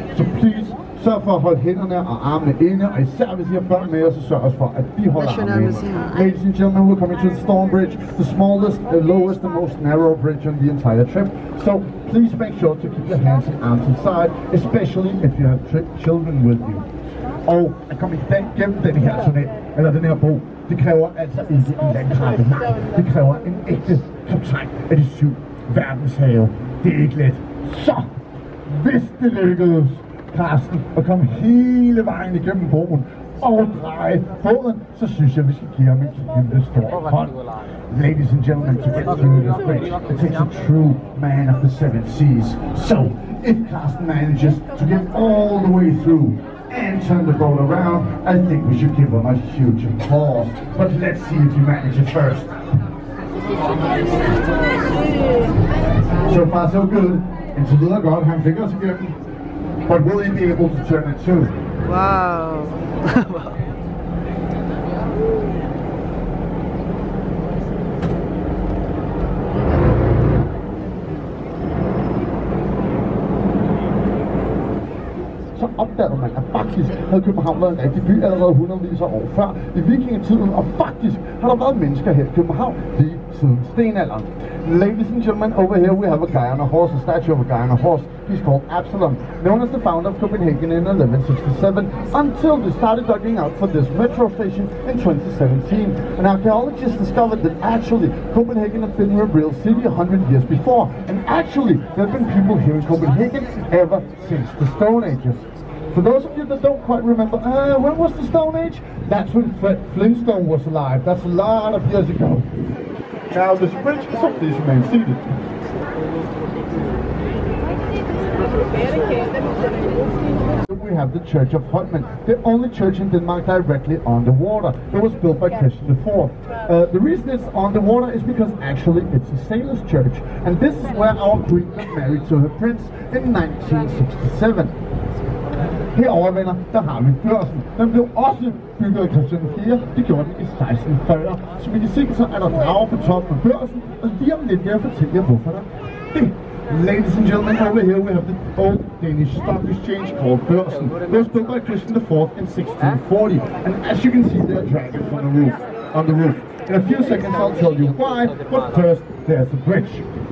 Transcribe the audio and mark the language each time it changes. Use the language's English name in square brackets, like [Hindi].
[Danish] Så please, sørg for at holde hænderne og armene inde, og især hvis I har børn med jer, så sørg også for, at de holder armene inde. [English] Ladies and gentlemen, we're coming to the Stormbridge, the smallest, the lowest, the most narrow bridge on the entire trip. So please make sure to keep your hands and arms inside, especially if you have children with you. [Danish] Og at komme igennem den her tunnel, eller den her bro, det kræver altså ikke en landkrabbe, nej. Det kræver en ægte kaptajn af de syv verdenshave. Det er ikke let. Så hvis det lykkedes, Carsten, at komme hele vejen igennem broen og dreje foden, så synes jeg, vi skal give ham en kæmpe stor hånd. [English] Ladies and gentlemen, to get through this bridge, it takes a true man of the seven seas. So, if Carsten manages to get all the way through, and turn the boat around, I think we should give him a huge applause. But let's see if you manage it first. So far so good. And to the other god, have fingers again. But will he be able to turn it too? Wow. [Danish] Opdagede man, at faktisk havde København været en rigtig by allerede hundredvis af år før i vikingetiden, og faktisk har der været mennesker her i København lige siden stenalderen. [English] Ladies and gentlemen, over here we have a guy on a horse, a statue of a guy on a horse. He's called Absalom, known as the founder of Copenhagen in 1167, until they started dugging out for this metro station in 2017. And archaeologists discovered that actually Copenhagen had been a real city 100 years before, and actually there have been people here in Copenhagen ever since the Stone Ages. For those of you that don't quite remember, when was the Stone Age? That's when Flintstone was alive. That's a lot of years ago. Now this bridge, so please remain seated. We have the Church of Hutman, the only church in Denmark directly on the water. It was built by Christian IV. The reason it's on the water is because actually it's a sailor's church. And this is where our queen got married to her prince in 1967. [Danish] Herovre, venner, der har vi børsen. Den blev også bygget af Christian IV. Det gjorde den i 1640. Som I kan se, så er der drager på toppen af børsen. Og lige om lidt kan jeg fortælle jer, hvorfor der er det. [English] Ladies and gentlemen, over here we have the old Danish stock exchange called Børsen. Det was built by Christian IV in 1640. And as you can see, there are dragons on the roof. In a few seconds, I'll tell you why. But first, there's a bridge.